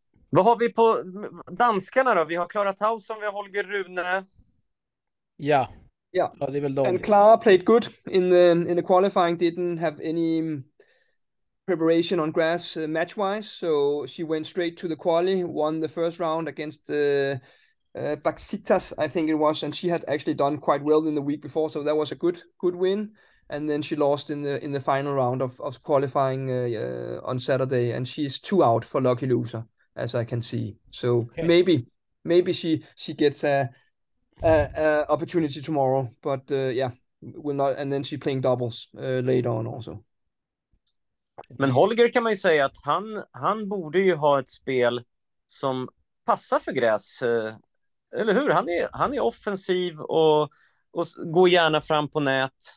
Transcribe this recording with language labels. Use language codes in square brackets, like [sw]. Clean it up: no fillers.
[sv] Vad har vi på danskarna då? Vi har Clara Tauson, vi har Holger Rune. Ja, det är väl de. [en] And Clara played good in the qualifying, didn't have any preparation on grass match-wise, so she went straight to the quali, won the first round against Baksitas, I think it was, and she had actually done quite well in the week before, so that was a good win. And then she lost in the final round of qualifying on Saturday, and she's two out for lucky loser, as I can see. So maybe she gets a opportunity tomorrow, but will not. And then she's playing doubles later on also. [sv] Men Holger, kan man ju säga att han borde ju ha ett spel som passar för gräs, eller hur? Han är offensiv och går gärna fram på nät.